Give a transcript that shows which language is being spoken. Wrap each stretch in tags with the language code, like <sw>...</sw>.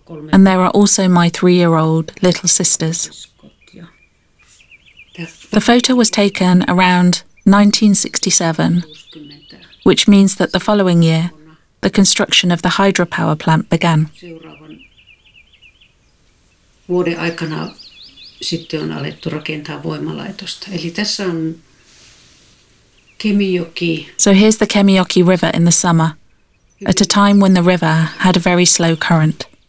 <en>And there are also my three-year-old little sisters. The photo was taken around 1967, which means that the following year, the construction of the hydropower plant began.</en> <fi>Vuoden aikana sitten on alettu rakentaa voimalaitosta. Eli tässä on Kemijoki.</fi> <en>So here's the Kemijoki River in the summer, at a time when the river had a very slow current.</en>